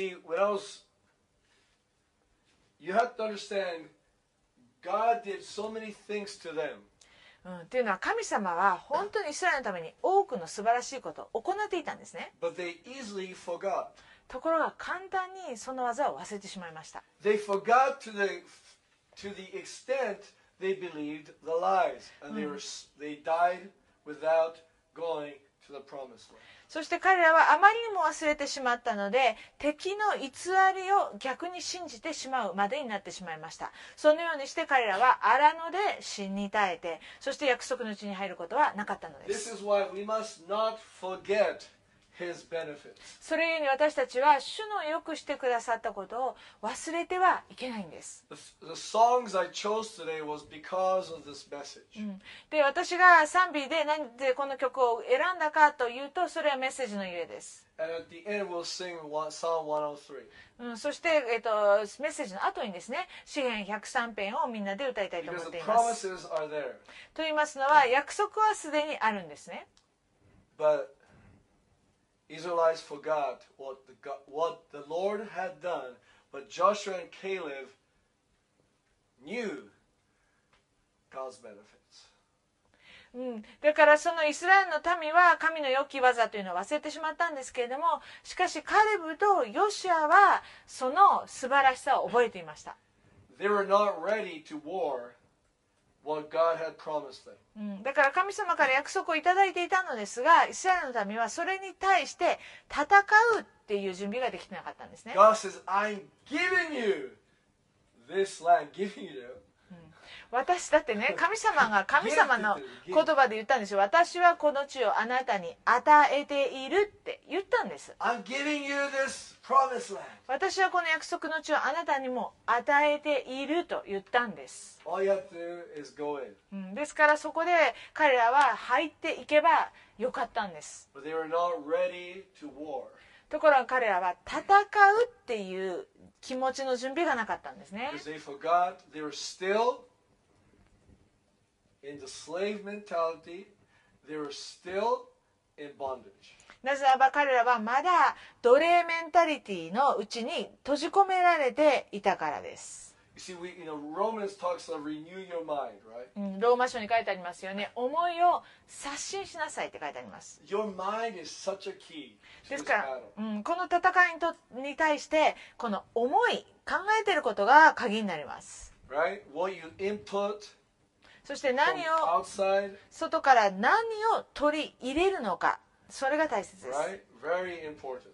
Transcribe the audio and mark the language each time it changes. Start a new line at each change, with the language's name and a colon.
English: You see, what else? You have to understand, God did so many things to them.
Japanese: というのは神様は本当にイスラエルのために多くの素晴らしいことを行っていたんですね。
English: But they easily forgot.
Japanese: ところが簡単にその技を忘れてしまいました。
English: They forgot to the extentThey believed the lies, and they died without going to the promised land.
Japanese: そして彼らはあまりにも忘れてしまったので、敵の偽りを逆に信じてしまうまでになってしまいました。そのようにして彼らは荒野で死に絶えて、そして約束の地に入ることはなかったのです。
English: This is why we must not forget his benefits.
Japanese: それゆえに私たちは主の良くしてくださったことを忘れてはいけないんです。
English: The songs I chose today was because of this message.
Japanese: で、私が賛美で何でこの曲を選んだかというと、それはメッセージのゆえです。
English: And at the end we'll sing Psalm 103.
Japanese: そして、メッセージの後にですね、詩編103編をみんなで歌いたいと思っています。
English: Because the promises are there.
Japanese: と言いますのは、約束はすでにあるんですね。
English: ButIsraelites forgot what the Lord had done, but Joshua and Caleb knew God's benefits.
Japanese: だからそのイスラエルの民は神の良き技というのを忘れてしまったんですけれども、しかしカレブとヨシアはその素晴らしさを覚えていました。
English: They were not ready to war. What God had promised them.
Japanese: だから神様から約束をいただいていたのですが、イスラエルの民はそれに対して戦うっていう準備ができてなかったんですね。
English: God says, I'm giving you this land, giving you.
Japanese: 私だってね、神様が神様の言葉で言ったんですよ。私はこの地をあなたに与えているって言ったんです。
English: I'm giving you this promised land.
Japanese: 私はこの約束の地をあなたにも与えていると言ったんです。
English: All you have to do is go in.
Japanese: ですからそこで彼らは入っていけばよかったんです。
English: But they were not ready to war.
Japanese: ところが彼らは戦うっていう気持ちの準備がなかったんですね。
English: Because they forgot they were stillIn the slave mentality, they were still in bondage.
Japanese: なぜならば彼らはまだ奴隷メンタリティのうちに閉じ込められていたからです。
English: You see, we, you know, Romans talks of renew your mind, right?
Japanese: ローマ書に書いてありますよね。思いを刷新しなさいって書いてあります。
English: Your mind is such a key to this battle.
Japanese: ですから、この戦いに対してこの思い、考えていることが鍵になります。
English: Right? What you input.
Japanese: そして何を外から何を取り入れるのか、それが大切です。
English: Right? Very important.